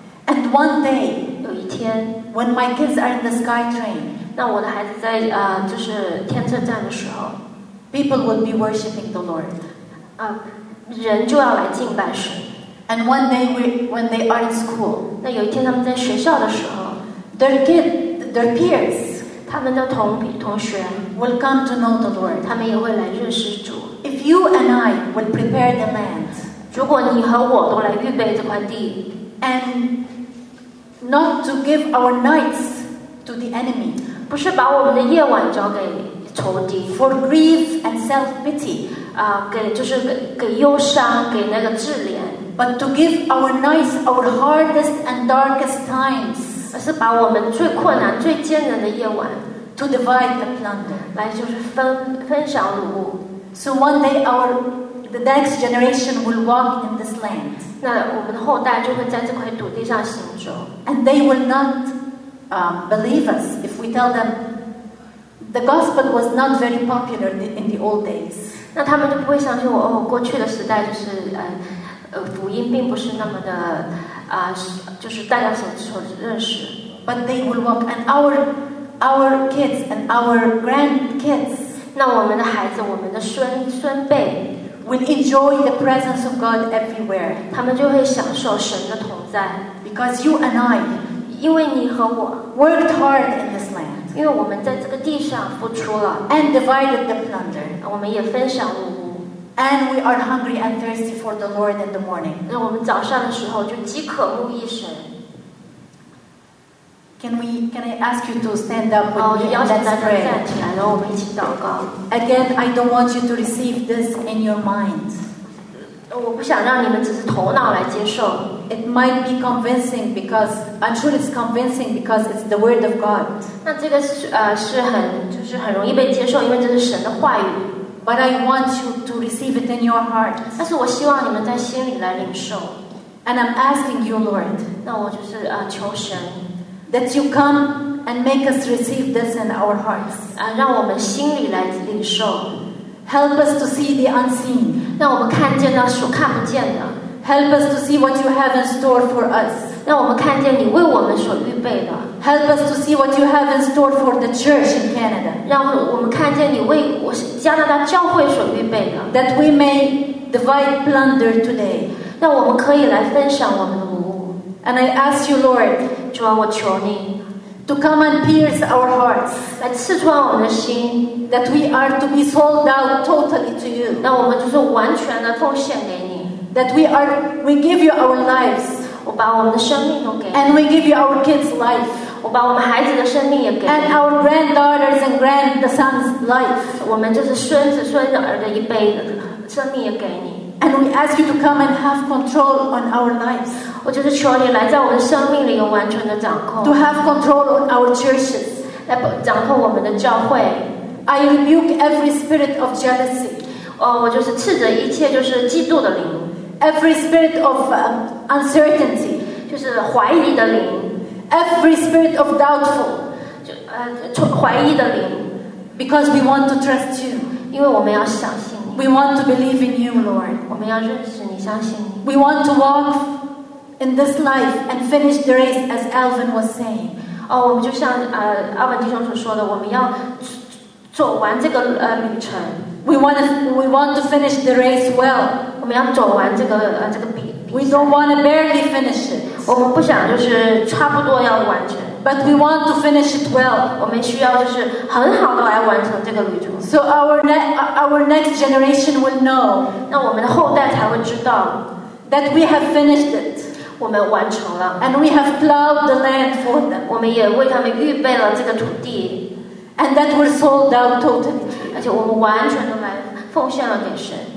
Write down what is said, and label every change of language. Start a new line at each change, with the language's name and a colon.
English: And one day。
Chinese: 有一天
English: ，When my kids are in the sky train，
Chinese: 那我的孩子在就是天车站的时候
English: ，People will be worshiping the Lord，
Chinese: 人就要来敬拜神。
English: And one day when they are in school，
Chinese: 那有一天他们在学校的时候
English: ，their peers，
Chinese: 他们的同学
English: will come to know the Lord，
Chinese: 他们也会来认识主。
English: If you and I will prepare the land，
Chinese: 如果你和我都来预备这块地
English: ，and Not to give our nights to the enemy.
Chinese: 不是把我们的夜晚交给仇敌。
English: For grief and self-pity.
Chinese: 给忧伤，给那个自怜。
English: But to give our nights our hardest and darkest times.
Chinese: 而是把我们最困难、最艰难的夜晚。
English: To divide the plunder.
Chinese: 来就是分享掳物。
English: So one day the next generation will walk in this land.
Chinese: 那我们的后代就会在这块土地上行走。
English: And they will not believe us if we tell them the gospel was not very popular in the old days.
Chinese: 那他们就不会相信我哦。过去的时代就是福音并不是那么的就是大家所认识。
English: But they will walk, and our kids and our grandkids.
Chinese: 那我们的孩子，我们的孙辈
English: will enjoy the presence of God everywhere.
Chinese: 他们就会享受神的同在。
English: Because you and I,
Chinese: 因为你和我
English: worked hard in this land,
Chinese: 因为我们在这个地上付出了
English: and divided the plunder,
Chinese: 我们也分享了物
English: and we are hungry and thirsty for the Lord in the morning.
Chinese: 那我们早上的时候就饥渴慕一神
English: Can I ask you to stand up with me? Let's pray.
Chinese: 站起来，然后我们一起祷告
English: Again, I don't want you to receive this in your mind.
Chinese: 我不想让你们只是头脑来接受。
English: It might be convincing because I'm sure it's convincing because it's the word of God.
Chinese: 那这个是很就是很容易被接受，因为这是神的话语。
English: But I want you to receive it in your heart.
Chinese: 但是我希望你们在心里来领受。
English: And I'm asking you, Lord.
Chinese: 那我就是求神
English: that you come and make us receive this in our hearts.
Chinese: 让我们心里来领受。
English: Help us to see the unseen.
Chinese: 让我们看见那所看不见的。
English: Help us to see what you have in store for us.
Chinese: 让我们看见你为我们所预备的。
English: Help us to see what you have in store for the church in Canada.
Chinese: 让我们看见你为我加拿大教会所预备的。
English: That we may divide plunder today.
Chinese: 让我们可以来分享我们的物。
English: And I ask you, Lord,
Chinese: 主啊，我求你
English: to come and pierce our hearts,
Chinese: 来刺穿我们的心
English: that we are to be sold out totally to you,
Chinese: 那我们就是完全的奉献给你
English: that we give you our lives,
Chinese: 我把我们的生命都给你
English: and we give you our kids' life,
Chinese: 我把我们孩子的生命也给你
English: and our granddaughters and grandsons' life,
Chinese: 我们就是孙子孙儿的一辈子生命也给你
English: And we ask you to come and have control on our lives.
Chinese: 我就是求你来在我的生命里有完全的掌控。
English: To have control on our churches.
Chinese: 来掌控我们的教会。
English: I rebuke every spirit of jealousy.
Chinese: 我就是斥责一切就是嫉妒的灵。
English: Every spirit of uncertainty.
Chinese: 就是怀疑的灵。
English: Every spirit of doubtful.
Chinese: 怀疑的灵。
English: Because we want to trust you.
Chinese: 因为我们要相信。
English: We want to believe in you, Lord.
Chinese: 我们要认识你，相信你。
English: We want to walk in this life and finish the race, as Alvin was saying.
Chinese: 我们就像阿文弟兄所说的，我们要走完这个旅程。
English: We want to finish the race well.
Chinese: 我们要走完这个这个比。
English: We don't want to barely finish it.
Chinese: 我们不想就是差不多要完成。
English: But we want to finish it well.
Chinese: 我们需要就是很好的来完成这个旅程。
English: So our next generation will know.
Chinese: 那我们的后代才会知道
English: that we have finished it.
Chinese: 我们完成了。
English: And we have plowed the land for them.
Chinese: 我们也为他们预备了这个土地。
English: And that we're sold out totally.
Chinese: 而且我们完全的来奉献了给神。